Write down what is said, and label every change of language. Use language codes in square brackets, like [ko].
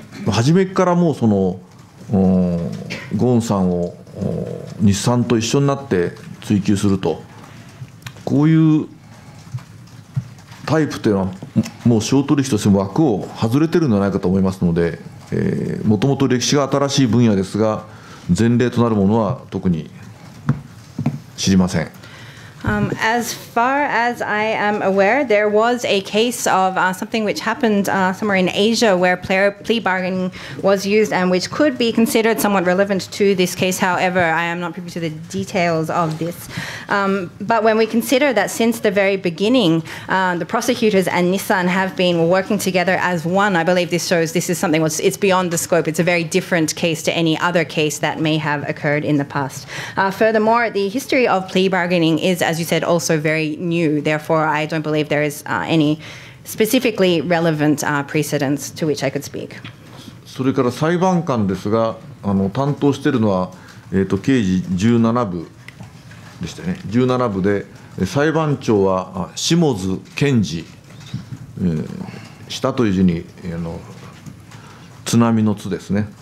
[ja] 初めからもうその、ゴーンさんを、日産と一緒になって追及すると、こういうタイプというのはもう司法取引としても枠を外れてるんじゃないかと思いますので、もともと歴史が新しい分野ですが、前例となるものは特に知りません。 [en] As far as I am aware, there was a case of something which happened somewhere in Asia where plea bargaining was used and which could be considered somewhat relevant to this case. However, I am not privy to the details of this. But when we consider that since the very beginning, the prosecutors and Nissan have been working together as one, I believe this shows this is something which, it's beyond the scope. It's a very different case to any other case that may have occurred in the past. Furthermore, the history of plea bargaining is, as you said, also very new. Therefore, I don't believe there is any specifically relevant precedents to which I could speak. [ja] それから裁判官ですが、担当しているのは、刑事17部でしたね。 17部で、裁判長は下津健二、下という字に、津波の津ですね。